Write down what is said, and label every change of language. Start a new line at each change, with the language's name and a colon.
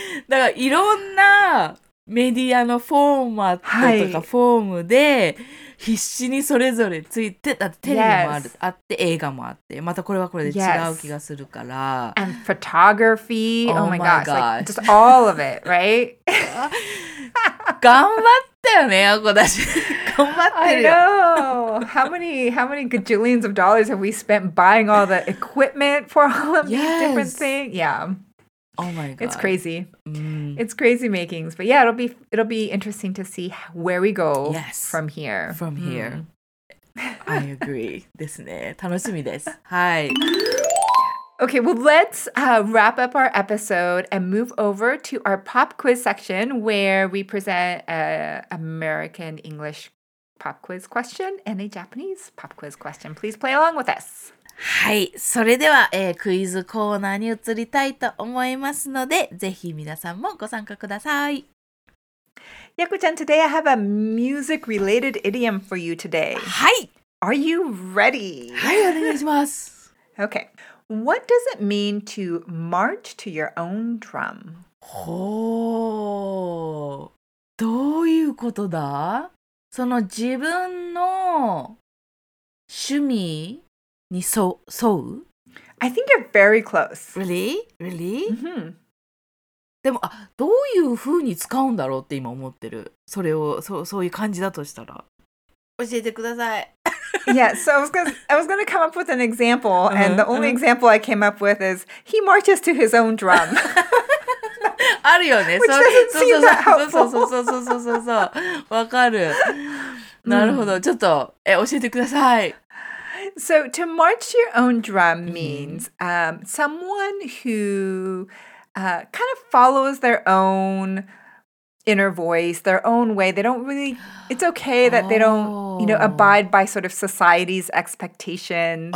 Japanese: だからいろんなメディアのフォーマットとかフォームで必死にそれぞれついて、だってテレビもある、あって映画もあって、またこれはこれで違う気がするから。
English: And photography, oh my gosh, like, just all of it, right?
Japanese: 頑張ったよね、あこだし。
English: I know. How many gajillions of dollars have we spent buying all the equipment for all of these different things? Yeah. Oh my god. It's crazy. It's crazy makings. But yeah, it'll be interesting to see where we go from here. From here. I agree
Japanese: ですね。楽しみです。はい。
English: Okay, well, let's wrap up our episode and move over to our pop quiz section where we present an American English pop quiz question and a Japanese pop quiz question. Please play along with us.
Japanese: はい、それでは、クイズコーナーに移りたいと思いますので、ぜひ皆さんもご参加ください。
English: Yaku-chan, today I have a music-related idiom for you today.
Japanese: はい。
English: Are you ready?
Japanese: はい、お願いします。
English: Okay. What does it mean to march to your own drum?
Japanese: ほう、どういうことだ？その自分の趣味に沿う？
English: I think you're very close. Really? Really? Mm-hmm.
Japanese: でも、あ、どういうふうに使うんだろうって今思ってる。それを、そういう感じだとしたら。教えてください。
English: Yeah, so I was gonna come up with an example, uh-huh, and the only uh-huh. example I came up with is he marches to his own drum.
Japanese: あるよね。
English: Which doesn't seem that helpful.
Japanese: そう。わかる。なるほど。ちょっと、教えてください。
English: So to march to your own drum means someone who kind of follows their own inner voice, their own way. They don't really. It's okay that they don't. You know, abide by sort of society's expectations.